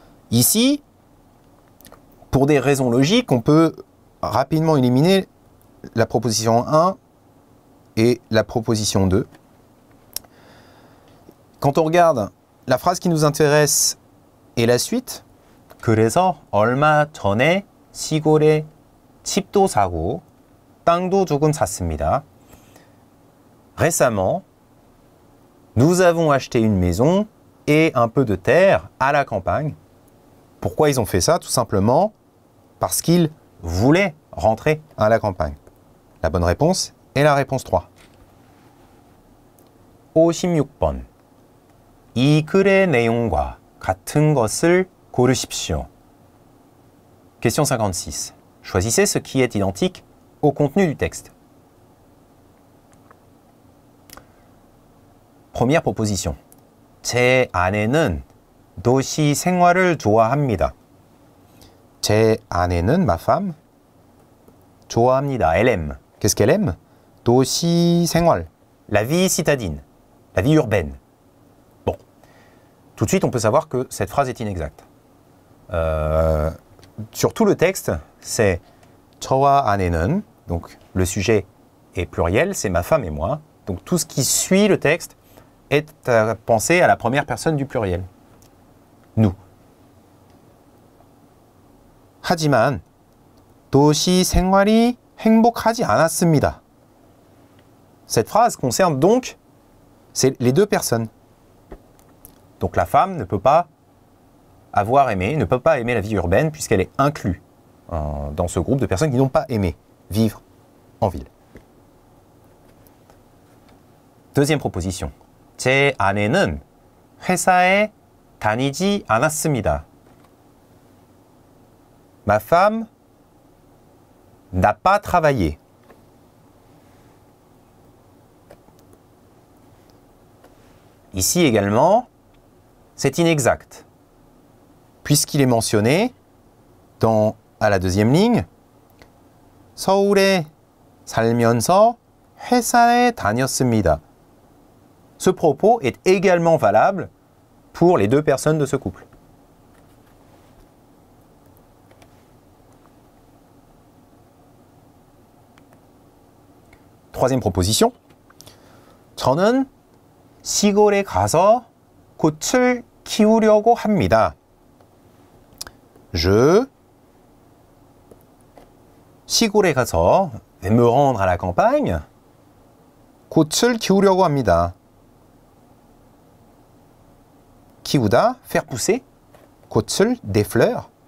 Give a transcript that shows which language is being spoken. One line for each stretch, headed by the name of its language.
French: Ici, pour des raisons logiques, on peut rapidement éliminer la proposition 1 et la proposition 2. Quand on regarde la phrase qui nous intéresse et la suite,
Korean: 그래서 얼마 전에 시골에 집도 사고 땅도 조금 샀습니다.
French: Récemment, nous avons acheté une maison et un peu de terre à la campagne. Pourquoi ils ont fait ça? Tout simplement parce qu'ils voulaient rentrer à la campagne. La bonne réponse est la réponse 3.
Korean: 56번. 이 글의 내용과 같은 것을 고르십시오.
French: Question 56. Choisissez ce qui est identique au contenu du texte. Première proposition.
Korean: 제 아내는 도시 생활을 좋아합니다. 제 아내는
French: ma femme
Korean: 좋아합니다.
French: Elle aime. Qu'est-ce qu'elle aime?
Korean: 도시 생활.
French: La vie citadine. La vie urbaine. Bon. Tout de suite, on peut savoir que cette phrase est inexacte. Sur tout le texte, c'est
Korean: 저와 아내는.
French: Donc, le sujet est pluriel. C'est ma femme et moi. Donc, tout ce qui suit le texte est à penser à la première personne du pluriel. Nous.
Korean: 하지만 도시 생활이 행복하지 않았습니다.
French: Cette phrase concerne donc c'est les deux personnes. Donc la femme ne peut pas avoir aimé, ne peut pas aimer la vie urbaine puisqu'elle est inclue dans ce groupe de personnes qui n'ont pas aimé vivre en ville. Deuxième proposition.
Korean: 제 아내는 회사에 다니지 않았습니다.
French: Ma femme n'a pas travaillé. Ici également, c'est inexact. Puisqu'il est mentionné dans, à la deuxième ligne,
Korean: 서울에 살면서 회사에 다녔습니다.
French: Ce propos est également valable pour les deux personnes de ce couple. Troisième proposition.
Korean: 저는 시골에 가서 꽃을 키우려고 합니다.
French: Je
Korean: 시골에 가서
French: vais me rendre à la campagne.
Korean: 꽃을 키우려고 합니다.
French: 키우다, faire pousser.
Korean: 꽃을,
French: des fleurs.